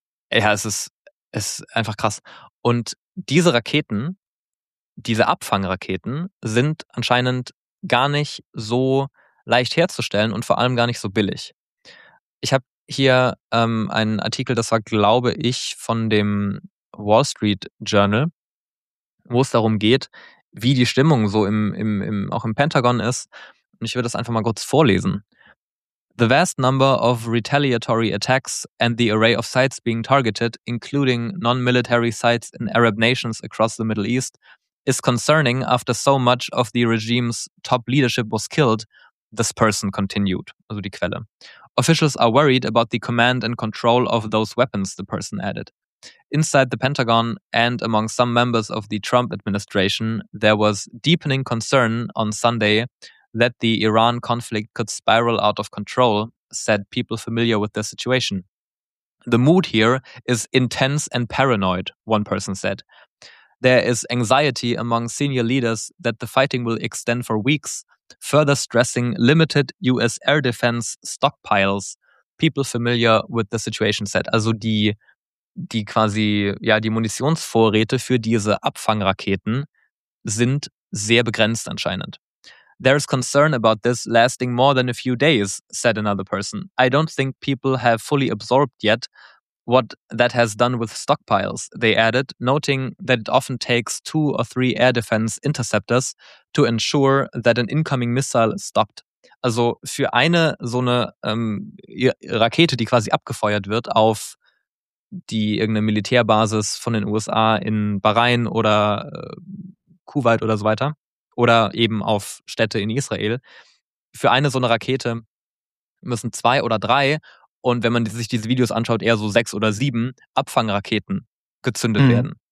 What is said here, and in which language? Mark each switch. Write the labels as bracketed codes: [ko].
[de] Es ist einfach krass. Und diese Raketen, diese Abfangraketen, sind anscheinend gar nicht so leicht herzustellen und vor allem gar nicht so billig. Ich habe hier einen Artikel, das war, glaube ich, von dem Wall Street Journal, wo es darum geht, wie die Stimmung so im Pentagon ist. Und ich würde das einfach mal kurz vorlesen. [en] The vast number of retaliatory attacks and the array of sites being targeted, including non-military sites in Arab nations across the Middle East, is concerning after so much of the regime's top leadership was killed, this person continued. [de] Also die Quelle. [en] Officials are worried about the command and control of those weapons, the person added. Inside the Pentagon and among some members of the Trump administration, there was deepening concern on Sunday that the Iran conflict could spiral out of control, said people familiar with the situation. The mood here is intense and paranoid, one person said. There is anxiety among senior leaders that the fighting will extend for weeks, further stressing limited US air defense stockpiles, people familiar with the situation said. [de] Also die Munitionsvorräte für diese Abfangraketen sind sehr begrenzt anscheinend. [en] There is concern about this lasting more than a few days, said another person. I don't think people have fully absorbed yet what that has done with stockpiles, they added, noting that it often takes 2 or 3 air defense interceptors to ensure that an incoming missile is stopped. [de] Also für eine so eine Rakete, die quasi abgefeuert wird auf die irgendeine Militärbasis von den USA in Bahrain oder Kuwait oder so weiter, oder eben auf Städte in Israel. Für eine so eine Rakete müssen 2 oder 3, und wenn man sich diese Videos anschaut, eher so 6 oder 7 Abfangraketen gezündet werden.